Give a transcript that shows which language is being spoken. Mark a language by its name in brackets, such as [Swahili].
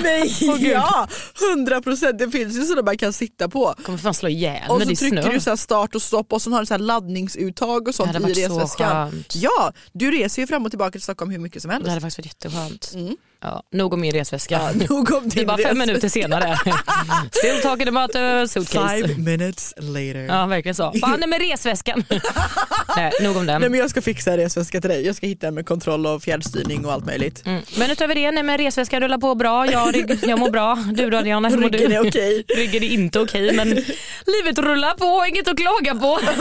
[Swedish] Nej, åh, gud. Ja, 100%. Det finns ju sådana man kan sitta på. Kommer fan slå ihjäl när det är snö. Och så trycker du så här start och stopp och så har du så här laddningsuttag och sånt i resväskan. Så ja, du reser ju fram och tillbaka till Stockholm hur mycket som helst. Det hade faktiskt varit jätteskönt. Mm. Ja, nog om min resväska. Ja, nog om det är bara fem minuter senare. [English] Still talking about a suitcase. 5 minutes later. [Swedish] Ja, verkligen så. Fan, med resväskan. Nej, nog om den. Nej, men jag ska fixa resväska till dig. Jag ska hitta en med kontroll och fjärrstyrning och allt möjligt. Mm. Men utöver det, nej, med resväska rullar på bra. Jag mår bra. Du då, Diana, hur mår du? Ryggen är okej. Ryggen är inte okej, men livet rullar på. Inget att klaga på.